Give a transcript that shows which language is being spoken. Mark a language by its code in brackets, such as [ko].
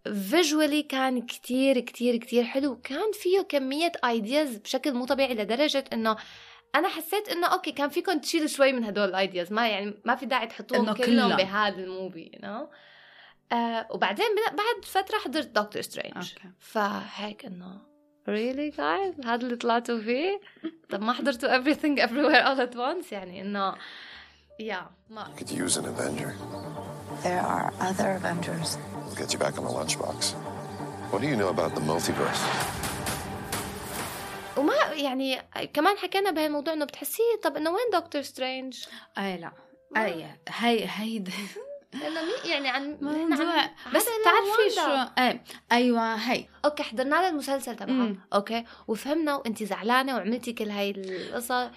[ar] فيجولي كان كتير كتير كتير حلو, كان فيه كمية ايدياز بشكل مو طبيعي لدرجة انه انا حسيت انه اوكي كان فيكم تشيلوا شوي من هدول الايدياز, ما يعني ما في داعي تحطوهم كلهم بهذا الموبي [en] you know? [ar] وبعدين بعد فترة حضرت دكتور سترينج [en] okay. [ar] فهيك انه [en] really guys [ar] هذا اللي طلعتوا فيه. طب ما حضرتوا everything everywhere all at once يعني انه yeah ما [en] could use an avenger. There are other avengers. We'll get you back on the lunchbox. What do you know about the multiverse? [ar] وما يعني كمان حكينا بهذا الموضوع انه بتحسي طب انه وين دكتور سترينج. اي لا اي هي يعني عن بس تعرفي شو ايوه هي اوكي حضرنا له المسلسل تبعه اوكي وفهمنا وانت زعلانه وعملتي كل هاي القصه